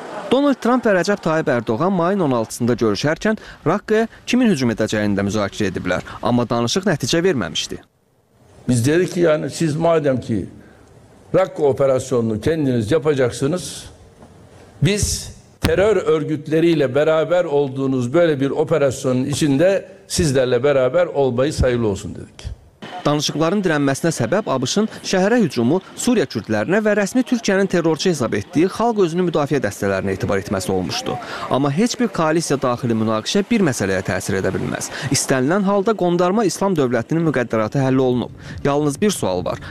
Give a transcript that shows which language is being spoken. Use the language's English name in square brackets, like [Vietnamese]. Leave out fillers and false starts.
[Azerbaijani] Donald Trump və Rəcəb Tayyip Erdoğan mayın 16-sında görüşərkən Raqqaya kimin hücum edəcəyini də müzakirə ediblər. Amma danışıq nəticə verməmişdi. [Turkish] Biz dedik ki, yani siz madem ki Raqqa operasyonunu kendiniz yapacaksınız, biz terör örgütleriyle beraber olduğunuz böyle bir operasyonun içinde sizlerle beraber olmayı sayılı olsun dedik. [Azerbaijani] Danışıqların dirənməsinə səbəb ABŞ-ın şəhərə hücumu Suriya kürdlərinə və rəsmi Türkiyənin terrorçu hesab etdiyi xalq özünü müdafiə dəstələrinə etibar etməsi olmuşdu. Amma heç bir koalisiya daxili münaqişə bir məsələyə təsir edə bilməz. İstənilən halda qondarma İslam dövlətinin müqəddəratı həll olunub. Yalnız bir sual var.